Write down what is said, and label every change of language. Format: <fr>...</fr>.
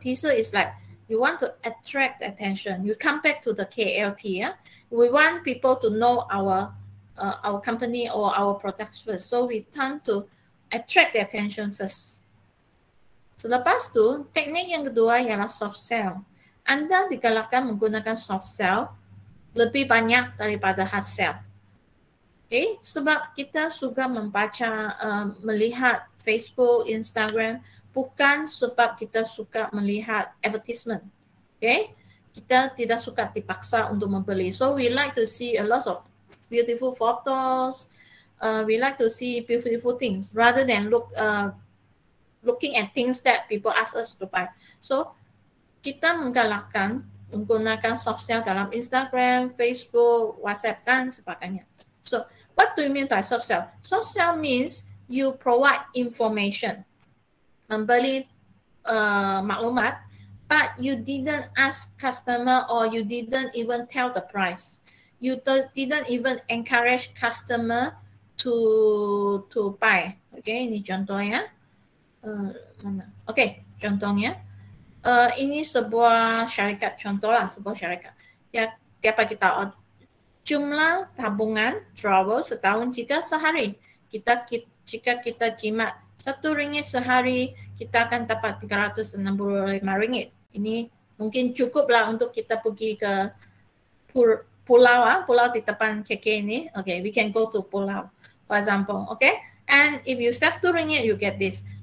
<en>Teaser is like you want to attract attention. You come back to the KLT. Yeah? We want people to know our company or our products first. So we turn to attract the attention first.</en> <ms>Selepas itu, teknik yang kedua ialah soft sell. Anda digalakkan menggunakan soft sell lebih banyak daripada hard sell. Okay? Sebab kita suka membaca, melihat Facebook, Instagram, bukan sebab kita suka melihat advertisement. Okay?</ms> <en>Kita tidak suka dipaksa untuk membeli. So we like to see a lot of beautiful photos. We like to see beautiful things rather than looking at things that people ask us to buy.</en> <ms>So kita menggalakkan menggunakan soft sell dalam Instagram, Facebook, WhatsApp dan sebagainya.</ms> <en>So what do you mean by soft sell? Soft sell means you provide information, membeli maklumat, but you didn't ask customer or you didn't even tell the price. You didn't even encourage customer to buy.</en> <ms>Okay, ini contohnya. Mana? Okay, contohnya. Ini sebuah syarikat, contohlah sebuah syarikat. Ya, tiap-tiap kita jumlah tabungan drawer setahun jika sehari. Jika kita jimat RM1 sehari, kita akan dapat RM365. Ini mungkin cukuplah untuk kita pergi ke pulau di depan KK ini.</ms> <en>Okay, we can go to pulau, for example. Okay, and if you save RM2, you get this.</en>